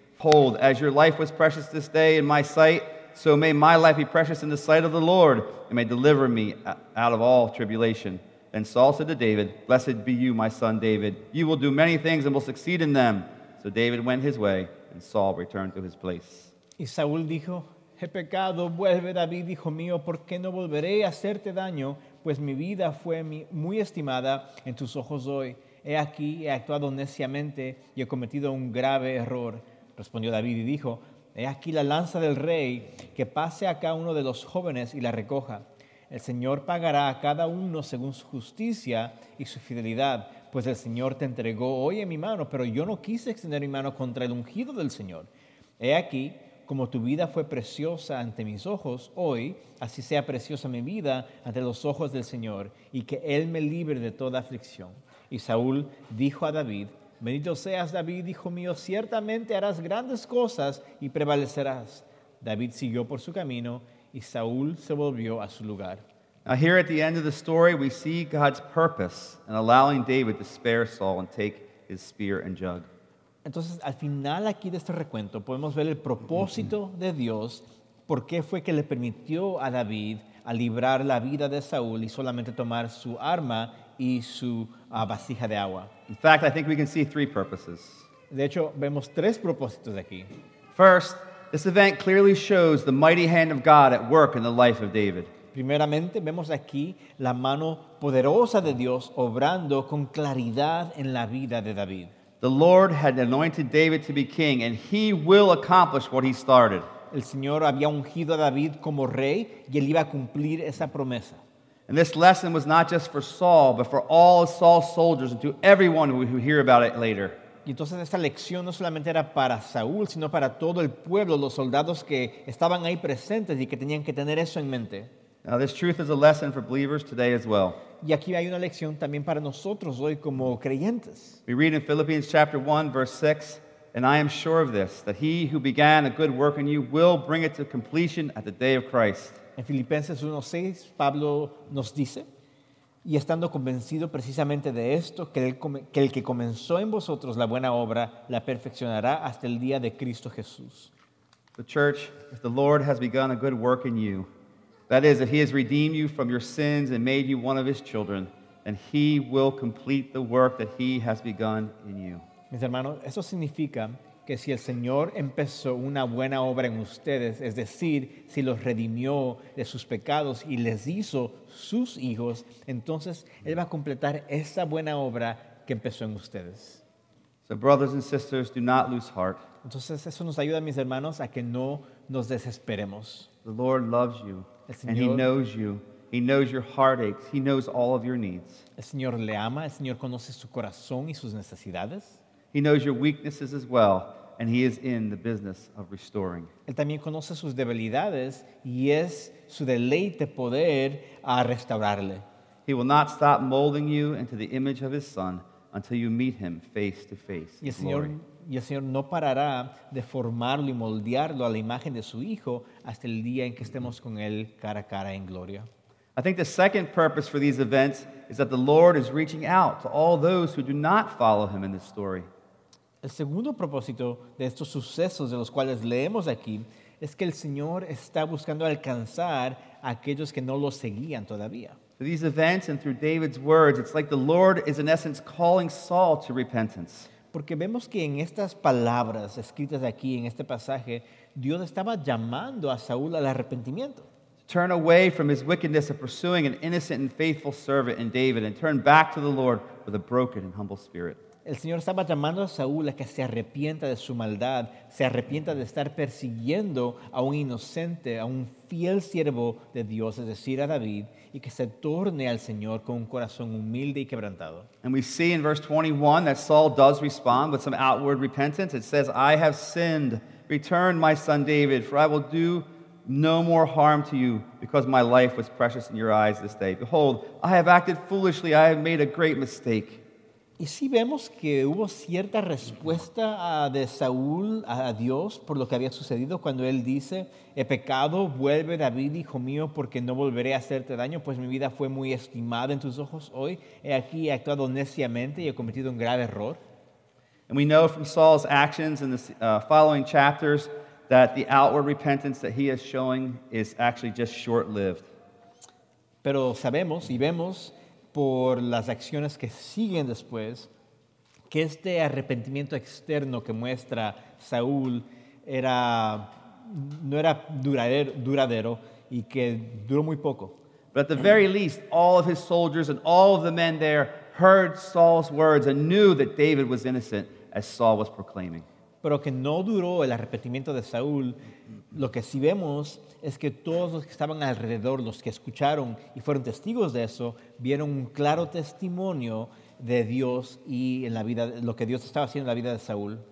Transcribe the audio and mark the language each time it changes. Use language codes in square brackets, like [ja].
[en] Hold, as your life was precious this day in my sight, so may my life be precious in the sight of the Lord, and may deliver me out of all tribulation." Then Saul said to David, "Blessed be you, my son David. You will do many things and will succeed in them." So David went his way, and Saul returned to his place. [es] Y Saúl dijo, "He pecado, vuelve David, hijo mío, porque no volveré a hacerte daño, pues mi vida fue muy estimada en tus ojos hoy. He aquí, he actuado neciamente y he cometido un grave error. Respondió David y dijo, he aquí la lanza del rey, que pase acá uno de los jóvenes y la recoja. El Señor pagará a cada uno según su justicia y su fidelidad, pues el Señor te entregó hoy en mi mano, pero yo no quise extender mi mano contra el ungido del Señor. He aquí, como tu vida fue preciosa ante mis ojos hoy, así sea preciosa mi vida ante los ojos del Señor, y que Él me libre de toda aflicción. Y Saúl dijo a David, bendito seas, David, hijo mío, ciertamente harás grandes cosas y prevalecerás. David siguió por su camino y Saúl se volvió a su lugar. [en] Now here at the end of the story, we see God's purpose in allowing David to spare Saul and take his spear and jug. [es] Entonces, al final aquí de este recuento, podemos ver el propósito de Dios, por qué fue que le permitió a David a librar la vida de Saúl y solamente tomar su arma y su vasija de agua. [en] In fact, I think we can see three purposes. [es] De hecho, vemos tres propósitos aquí. [en] First, this event clearly shows the mighty hand of God at work in the life of David. [es] Primeramente, vemos aquí la mano poderosa de Dios obrando con claridad en la vida de David. [en] The Lord had anointed David to be king, and he will accomplish what he started. [es] El Señor había ungido a David como rey, y él iba a cumplir esa promesa. [en] And this lesson was not just for Saul, but for all of Saul's soldiers, and to everyone who will hear about it later. [es] Y entonces esta lección no solamente era para Saúl, sino para todo el pueblo, los soldados que estaban ahí presentes y que tenían que tener eso en mente. [en] Now this truth is a lesson for believers today as well. [es] Y aquí hay una lección también para nosotros hoy como creyentes. [en] We read in Philippians chapter 1, verse 6, and I am sure of this, that he who began a good work in you will bring it to completion at the day of Christ. [es] En Filipenses 1:6, Pablo nos dice, y estando convencido precisamente de esto, que el que comenzó en vosotros la buena obra la perfeccionará hasta el día de Cristo Jesús. [en] The church, if the Lord has begun a good work in you, that is, if he has redeemed you from your sins and made you one of his children, then he will complete the work that he has begun in you. [es] Mis hermanos, eso significa que si el Señor empezó una buena obra en ustedes, es decir, si los redimió de sus pecados y les hizo sus hijos, entonces él va a completar esa buena obra que empezó en ustedes. [en] So brothers and sisters, do not lose heart. [es] Entonces eso nos ayuda, mis hermanos, a que no nos desesperemos. [en] The Lord loves you. And he knows you. He knows your heartaches. He knows all of your needs. [es] El Señor le ama. El Señor conoce su corazón y sus necesidades. [en] He knows your weaknesses as well, and he is in the business of restoring. [es] Él también conoce sus debilidades y es su deleite poder a restaurarle. [en] He will not stop molding you into the image of his son until you meet him face to face. [es] Y el Señor no parará de formarlo y moldearlo a la imagen de su Hijo hasta el día en que estemos con Él cara a cara en gloria. [en] I think the second purpose for these events is that the Lord is reaching out to all those who do not follow Him in this story. [es] El segundo propósito de estos sucesos de los cuales leemos aquí es que el Señor está buscando alcanzar a aquellos que no lo seguían todavía. [en] Through these events and through David's words, it's like the Lord is in essence calling Saul to repentance. [es] Porque vemos que en estas palabras escritas aquí, en este pasaje, Dios estaba llamando a Saúl al arrepentimiento. [en] Turn away from his wickedness of pursuing an innocent and faithful servant in David and turn back to the Lord with a broken and humble spirit. [es] El Señor estaba llamando a Saúl a que se arrepienta de su maldad, se arrepienta de estar persiguiendo a un inocente, a un fiel siervo de Dios, es decir, a David, y que se torne al Señor con un corazón humilde y quebrantado. [en] And we see in verse 21 that Saul does respond with some outward repentance. It says, I have sinned. Return, my son David, for I will do no more harm to you because my life was precious in your eyes this day. Behold, I have acted foolishly. I have made a great mistake. [es] Y sí vemos que hubo cierta respuesta de Saúl a Dios por lo que había sucedido cuando él dice, he pecado, vuelve David, hijo mío, porque no volveré a hacerte daño, pues mi vida fue muy estimada en tus ojos hoy. He aquí, he actuado neciamente y he cometido un grave error. [en] And we know from Saul's actions in the following chapters that the outward repentance that he is showing is actually just short-lived. [es] Pero sabemos y vemos por las acciones que siguen después, que este arrepentimiento externo que muestra Saúl no era duradero y que duró muy poco. [en] But at the very least, all of his soldiers and all of the men there heard Saul's words and knew that David was innocent, as Saul was proclaiming. [es] pero que no duró el arrepentimiento de Saúl. Lo que sí vemos es que todos los que estaban alrededor, los que escucharon y fueron testigos de eso, vieron un claro testimonio de Dios y en la vida, lo que Dios estaba haciendo en la vida de Saúl.